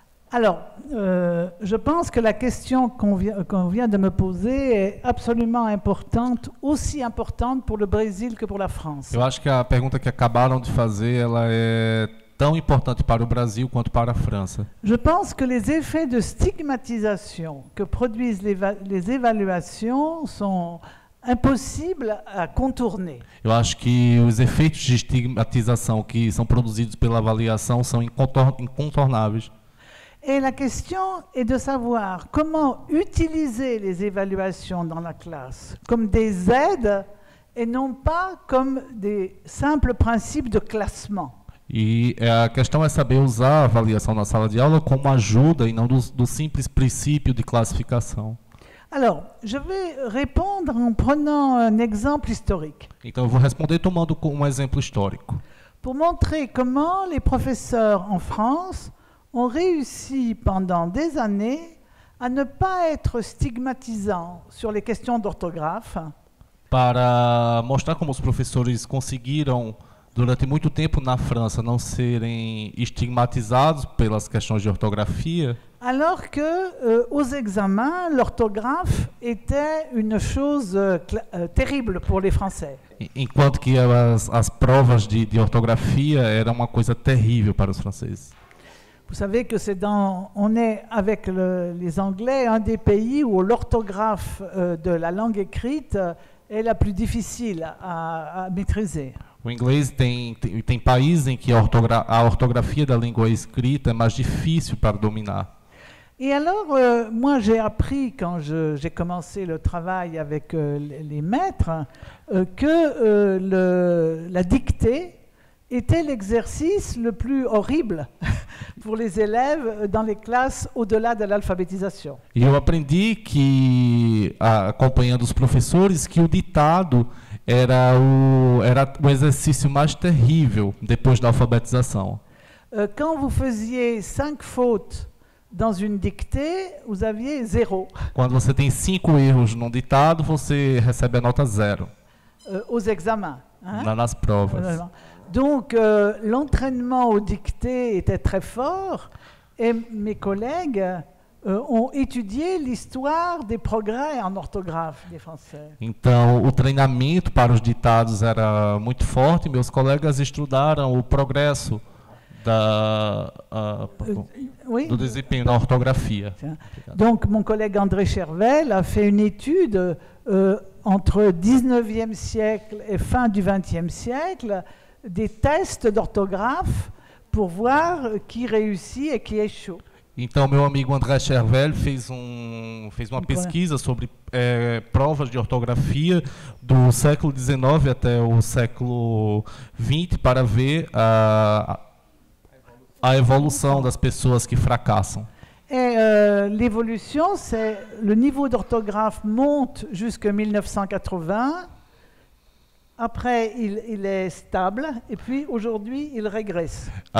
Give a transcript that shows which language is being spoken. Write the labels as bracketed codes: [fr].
[fr] Alors, je pense que la question qu'on vient de me poser est absolument importante, aussi importante pour le Brésil que pour la France. [pt] Eu acho que a pergunta que acabaram de fazer, ela é tão importante para o Brasil quanto para a França. [fr] Je pense que les effets de stigmatisation que produisent les évaluations sont impossible à contourner. [pt] Eu acho que os efeitos de estigmatização que são produzidos pela avaliação são incontornáveis. [fr] Et la question est de savoir comment utiliser les évaluations dans la classe comme des aides et non pas comme des simples principes de classement. [pt] E a questão é saber usar a avaliação na sala de aula como ajuda e não do simples princípio de classificação. [fr] Alors, je vais répondre en prenant un exemple historique. [pt] Então, eu vou responder tomando um exemplo histórico. [fr] Pour montrer comment les professeurs en France ont réussi pendant des années à ne pas être stigmatisants sur les questions d'orthographe. [pt] Para mostrar como os professores conseguiram durante muito tempo na França não serem estigmatizados pelas questões de ortografia. [fr] Alors que aux examens, l'orthographe était une chose terrible pour les Français. [pt] Enquanto que as provas de ortografia eram uma coisa terrível para os franceses. [fr] Vous savez que c'est dans on est avec les Anglais un des pays où l'orthographe de la langue écrite est la plus difficile à maîtriser. [pt] O inglês tem países em que a ortografia da língua escrita é mais difícil para dominar. [fr] Et alors, moi j'ai appris quand j'ai commencé le travail avec les maîtres que la dictée était l'exercice le plus horrible pour les élèves dans les classes au-delà de l'alphabétisation. [pt] E eu aprendi que, acompanhando os professores, que o ditado era o exercício mais terrível depois da alfabetização. [fr] Quand vous faisiez 5 fautes dans une dictée, vous aviez 0. [pt] Quando você tem 5 erros num ditado, você recebe a nota 0. [fr] Aux examens, [pt] hein? Nas provas. [fr] Donc l'entraînement aux dictées était très fort et mes collègues ont étudié l'histoire des progrès en orthographe des Français. [pt] Então, o treinamento para os ditados era muito forte, meus colegas estudaram o progresso do desempenho da ortografia. [fr] Donc mon collègue André Chervel a fait une étude entre 19e siècle et fin du 20e siècle des tests d'orthographe pour voir qui réussit et qui échoue. [pt] Então meu amigo André Chervel fez uma pesquisa sobre provas de ortografia do século 19 até o século 20 para ver a evolução das pessoas que fracassam. [fr] L'évolution, c'est le niveau d'orthographe monte jusqu'à 1980. Après, il est stable et puis aujourd'hui, il régresse.